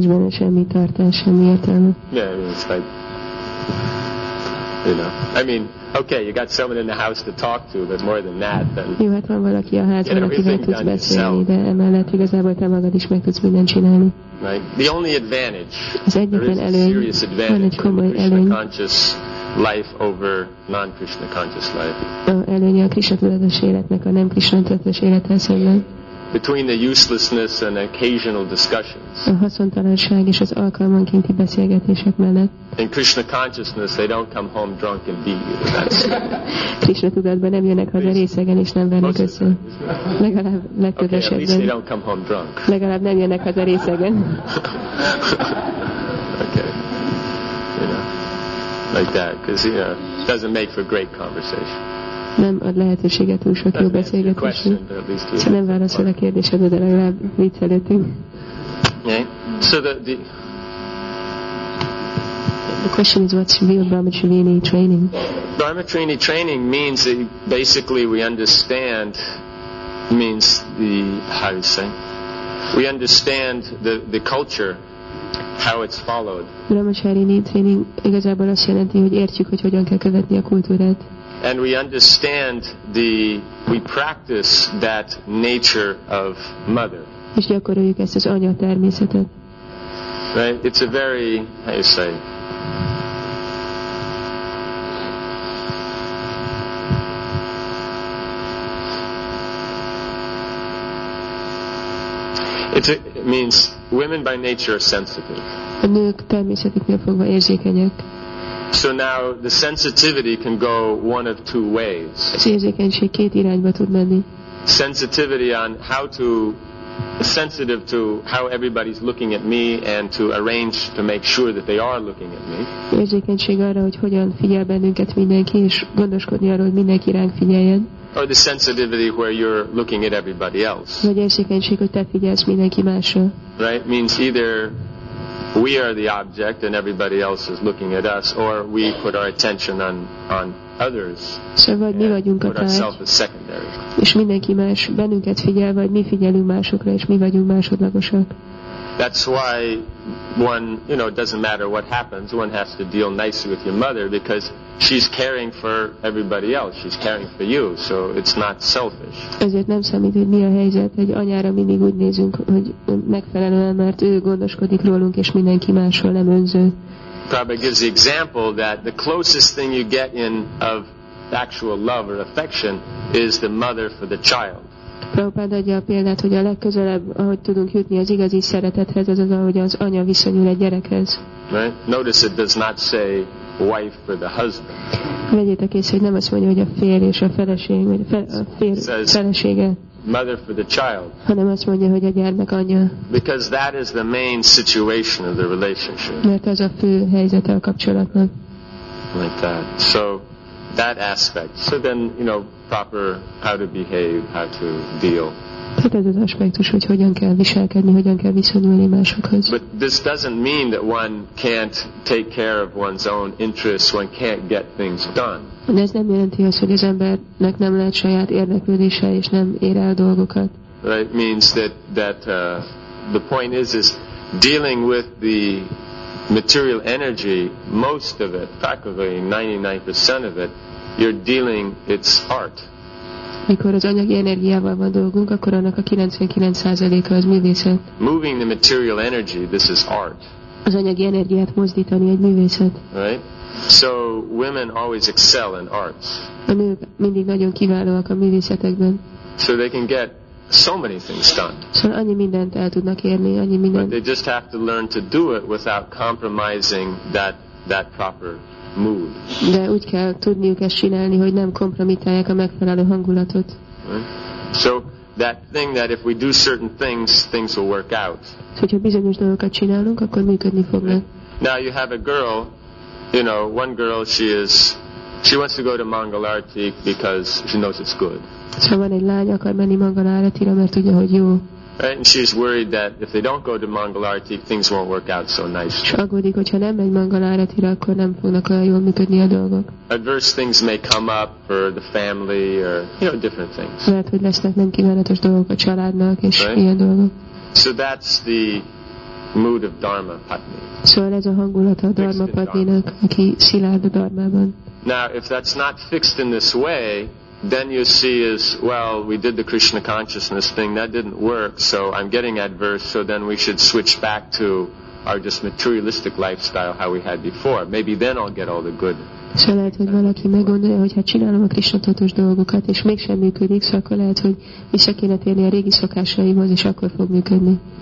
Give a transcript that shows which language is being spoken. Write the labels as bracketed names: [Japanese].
[Hungarian] Semmi tartás, semmi értelme. [English] Yeah, it's like, you know. I mean, okay, you got someone in the house to talk to, but more than that, then. [Hungarian] Jó, hát van valaki a házban, akivel tudsz beszélni, de emellett igazából te magad is meg tudsz mindent csinálni. [English] Right. The only advantage. [Hungarian] Az egyetlen előny. [English] There is a serious advantage from Krishna conscious life over non-Krishna conscious life. [Hungarian] A előny a Krishna tudatos életnek a nem Krishna tudatos élethez szemben. [English] Between the uselessness and occasional discussions. [Hungarian] A haszontalanság és az alkalmankénti beszélgetések mellett. [English] In Krishna consciousness, they don't come home drunk and beat you. That's [Hungarian] Krishna tudatban nem jönnek haza részegen és nem vernek össze. Legalább legtöbb esetben. [English] Okay, at least they don't come home drunk. [Hungarian] Legalább nem jönnek haza részegen. [English] Okay. You know, like that, because you know, it doesn't make for great conversation. [Hungarian] Nem ad lehetőséget túl sok jó beszélgetésre. Szóval nem válaszol a kérdésedre, de legalább viccelődünk. [English] So the question is, what's real brahmacharini training? Brahmacharini training means that basically we understand, means the, how do you say, we understand the culture, how it's followed. [Hungarian] Brahmacharini training igazából azt jelenti, hogy értjük, hogy hogyan kell követni a kultúrát. [English] And we understand we practice that nature of mother. [Hungarian] És gyakoroljuk ezt az anya természetet. [English] Right? It's a very, how you say, it means women by nature are sensitive. [Hungarian] A nők természetüknél fogva érzékenyek. [English] So now the sensitivity can go one of two ways. [Hungarian] Az érzékenység két irányba tud menni. [English] Sensitivity on how to, sensitive to how everybody's looking at me and to arrange to make sure that they are looking at me. [Hungarian] Érzékenység arra, hogy hogyan figyel bennünket mindenki, és gondoskodni arról, hogy mindenki ránk figyeljen. [English] Or the sensitivity where you're looking at everybody else. [Hungarian] Vagy érzékenység, hogy te figyelsz mindenki másra. [English] Right? Means either we are the object and everybody else is looking at us, or we put our attention on others. [Hungarian] So vagy mi vagyunk a tárgy. [English] Put ourselves as secondary. [Hungarian] És mindenki más bennünket figyel, vagy mi figyelünk másokra, és mi vagyunk másodlagosak. [English] That's why one, you know, it doesn't matter what happens, one has to deal nicely with your mother because she's caring for everybody else. She's caring for you, so it's not selfish. [Hungarian] Ezért nem számít, hogy mi a helyzet, hogy anyára mindig úgy nézünk, hogy megfelelően, mert ő gondoskodik rólunk, és mindenki másról, nem önző. [English] Prabhupada gives the example that the closest thing you get in of actual love or affection is the mother for the child. [Hungarian] Prabhupada adja a példát, hogy a legközelebb, ahogy tudunk jutni az igazi szeretethez, az az, ahogy az anya viszonyul egy gyerekhez. [English] Right? Notice it does not say wife for the husband. [Hungarian] Vegyétek észre, hogy nem azt mondja, hogy a férj és a feleség, vagy a férj felesége. [English] Mother for the child. [Hungarian] Hanem azt mondja, hogy a gyermek anyja. [English] Because that is the main situation of the relationship. [Hungarian] Mert az a fő helyzete a kapcsolatnak. [English] Like that. So that aspect. So then, you know, proper how to behave, how to deal. [Hungarian] Hát ez az aspektus, hogy hogyan kell viselkedni, hogyan kell viszonyulni másokhoz. [English] But this doesn't mean that one can't take care of one's own interests, one can't get things done. [Hungarian] De ez nem jelenti azt, hogy az embernek nem lehet saját érdeklődése és nem ér el dolgokat. [English] It means that the point is dealing with the material energy, most of it, practically 99% of it, you're dealing its heart. [Hungarian] Mikor az anyagi energiával van dolgunk, akkor annak a 99%-a az művészet. [English] Moving the material energy, this is art. [Hungarian] Az anyagi energiát mozdítani egy művészet. [English] Right? So women always excel in arts. [Hungarian] A nők mindig nagyon kiválóak a művészetekben. [English] So they can get so many things done. [Hungarian] Szóval annyi mindent el tudnak érni, annyi mindent. [English] But they just have to learn to do it without compromising that proper mood. [Hungarian] De úgy kell tudniuk ezt csinálni, hogy nem kompromittálják a megfelelő hangulatot. [English] So that thing that if we do certain things, things will work out. [Hungarian] Hogyha bizonyos dolgokat csinálunk, akkor működni fognak. [English] Now you have a girl, you know, one girl, she wants to go to Mangalartik because she knows it's good. [Hungarian] Szóval van egy lány, akar menni Mangalartikra, mert tudja, hogy jó. [English] Right? And she's worried that if they don't go to Mangalartik, things won't work out so nicely. [Hungarian] Aggódik, hogyha nem megy Mangalartikra, akkor nem fognak olyan jól működni a dolgok. [English] Adverse things may come up for the family or, you know, different things. [Hungarian] Lehet, hogy lesznek nem kívánatos dolgok a családnak és [English] right? [Hungarian] ilyen dolgok. [English] So that's the mood of Dharma Patni. [Hungarian] Szóval ez a hangulata a Dharma Patninak, aki szilárd a Dharmában. [English] Now, if that's not fixed in this way, then you see is, well, we did the Krishna consciousness thing, that didn't work, so I'm getting adverse, so then we should switch back to our just materialistic lifestyle, how we had before. Maybe then I'll get all the good. [Hungarian] Szóval lehet, hogy valaki meggondolja, hogy ha csinálom a Krishna tudatos dolgokat, és mégsem működik, szóval akkor lehet, hogy vissza kéne térni a régi szokásaimhoz, és akkor fog működni.